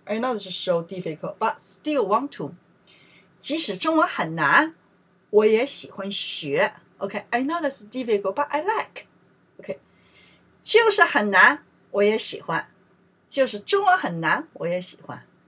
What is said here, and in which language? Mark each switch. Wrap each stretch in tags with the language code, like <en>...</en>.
<en>I know this is so difficult, but still want to.</en> <zh>即使中文很难，我也喜欢学。</zh> <en>Okay, I know that's difficult, but I like.</en> <zh>Okay, 就是很难，我也喜欢。就是中文很难，我也喜欢。</zh>